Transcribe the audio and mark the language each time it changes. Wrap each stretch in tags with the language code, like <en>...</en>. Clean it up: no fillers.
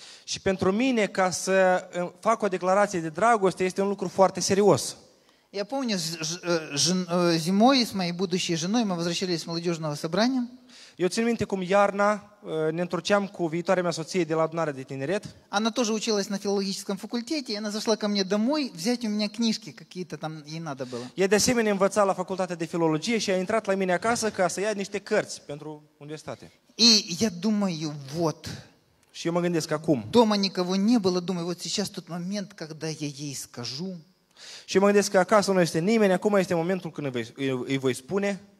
<ro>Și pentru mine, ca să fac o declarație de dragoste, este un lucru foarte serios.</ro> <ru>Я помню, зимой с моей будущей женой мы возвращались с молодежного собрания.</ru> <ro>Eu țin minte cum iarna ne întorceam cu viitoarea mea soție de la adunarea de tineret.</ro> <ru>Она тоже училась на филологическом факультете, и она зашла ко мне домой взять у меня книжки какие-то там ей надо было.</ru> <ro>Ea de asemenea învăța la facultatea de filologie și a intrat la mine acasă ca să ia niște cărți pentru universitate.</ro> <ru>И я думаю, вот.</ru> <ro>Și eu mă gândesc acum.</ro> <ru>Дома никого не было, думаю, вот сейчас тот момент, когда я ей скажу.</ru> <ro>Și mă gândesc că acasă nu este nimeni, acum este momentul când îi voi spune.</ro>